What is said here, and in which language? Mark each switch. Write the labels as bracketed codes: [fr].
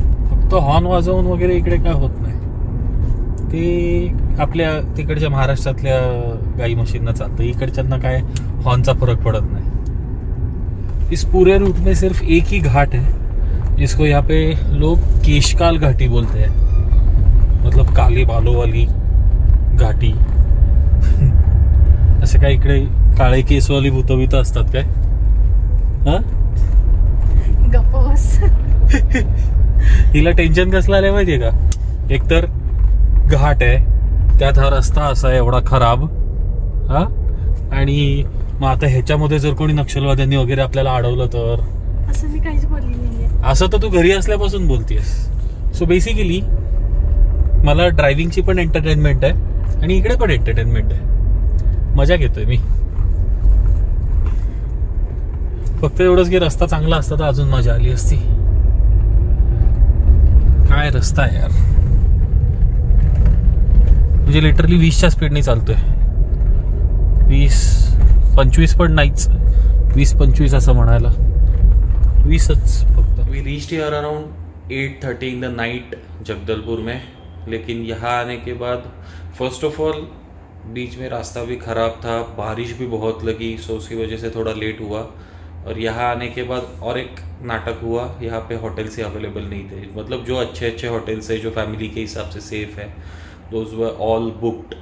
[mr] फक्त हॉर्न वाजवून वगैरे इकडे काय होत नाही, ते आपल्या तिकडच्या महाराष्ट्रातल्या गाई मशीनना चालतं, इकडच्यांना काय हॉर्नचा फरक पडत नाही। [hi] इस पुरे रूट में सिर्फ एक ही घाट है जिसको यहाँ पे लोग केशकाल घाटी बोलते हैं, मतलब काले बालों वाली घाटी। [mr] असे काय इकडे काळे केस वाली भूत भीत असतात काय? गपोस। हिला टेंशन कसलं आलंय माहितीये का? एक तर घाट आहे, त्यात हा रस्ता असा एवढा खराब, हा, आणि मग आता ह्याच्यामध्ये जर कोणी नक्षलवाद्यांनी वगैरे आपल्याला अडवलं तर? असं मी काहीच बोलली नाही, असं तर तू घरी असल्यापासून बोलतीयस। सो बेसिकली मला ड्रायव्हिंगची पण एंटरटेनमेंट आहे आणि इकडे पण एंटरटेनमेंट आहे, मजा घेतोय मी। फक्त एवढंच की रस्ता चांगला असता तर अजून मजा आली असती। काय रस्ता यार, म्हणजे लिटरली 20 स्पीडने चालतोय, 20-25 पण नाहीच, 20-25 असं म्हणायला, 20च फक्त। [en] we reached here around 8:30 in the night [hi] Jagdalpur में, लेकिन यहाँ आने के बाद फर्स्ट ऑफ ऑल बीच में रास्ता भी खराब था, बारिश भी बहुत लगी, सो उसकी वजह से थोड़ा लेट हुआ, और यहाँ आने के बाद और एक नाटक हुआ, यहाँ पे होटल्स ही अवेलेबल नहीं थे, मतलब जो अच्छे अच्छे होटल्स हैं जो फैमिली के हिसाब से सेफ है, [en] Those were all booked.